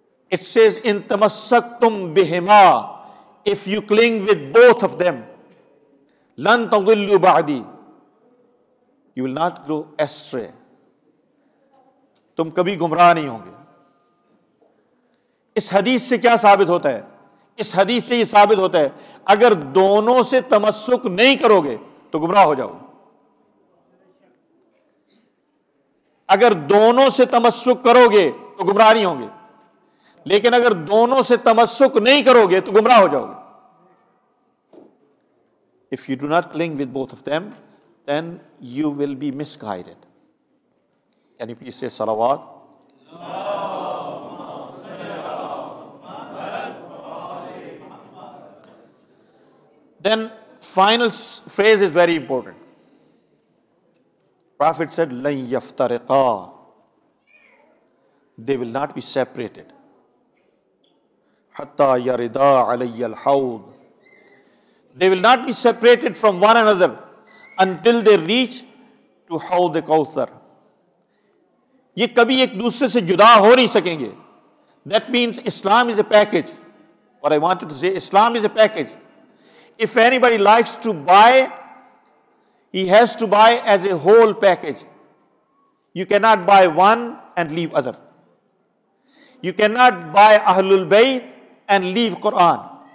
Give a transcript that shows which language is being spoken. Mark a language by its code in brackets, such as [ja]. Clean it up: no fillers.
[en] It says, [ar] إِن تَمَسَّكْتُمْ بِهِمَا, [en] if you cling with both of them, [ar] لَن تَضِلُّوا بَعْدِي, [en] you will not grow astray, [ur] تم کبھی گمراہ نہیں ہوں گے. اس حدیث سے کیا ثابت ہوتا ہے؟ اس حدیث سے یہ ثابت ہوتا ہے اگر دونوں سے تمسک نہیں کرو گے تو گمراہ ہو جاؤ. اگر دونوں سے تمسک کرو گے تو گمراہ نہیں ہوں گے, لیکن اگر دونوں سے تمسک نہیں کرو گے تو گمراہ ہو جاؤ گے. [en] If you do not cling with both of them, then you will be misguided. Can you please say salawat? Then final phrase is very important. Prophet said, [ar] لَنْ يَفْتَرِقَا, [en] they will not be separated. [ar] حَتَّى يَرِدَا عَلَيَّ الْحَوْضِ, [en] they will not be separated from one another until they reach to Hawd al-Kawthar. [ur] یہ کبھی ایک دوسرے سے جدا ہو نہیں سکیں گے. [en] That means Islam is a package. What I wanted to say, Islam is a package. If anybody likes to buy, he has to buy as a whole package. You cannot buy one and leave other. You cannot buy Ahlul Bayt and leave Quran.